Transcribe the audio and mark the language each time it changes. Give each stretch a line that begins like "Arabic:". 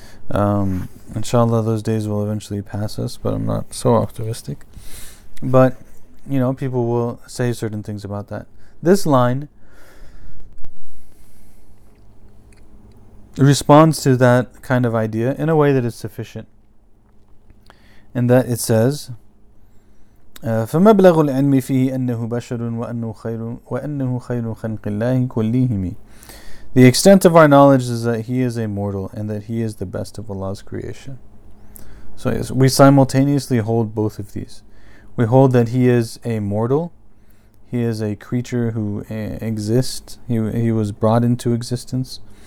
English: Inshallah those days will eventually pass us, but I'm not so optimistic. But, you know, people will say certain things about that. This line responds to that kind of idea in a way that is sufficient. In that it says,
Arabic: فَمَبْلَغُ الْعِلْمِ فِيهِ أَنَّهُ بَشَرٌ وَأَنَّهُ خَيْرٌ خَلْقِ اللَّهِ كُلِّهِمِ.
English: The extent of our knowledge is that he is a mortal and that he is the best of Allah's creation. So we simultaneously hold both of these. We hold that he is a mortal. He is a creature who exists. He was brought into existence.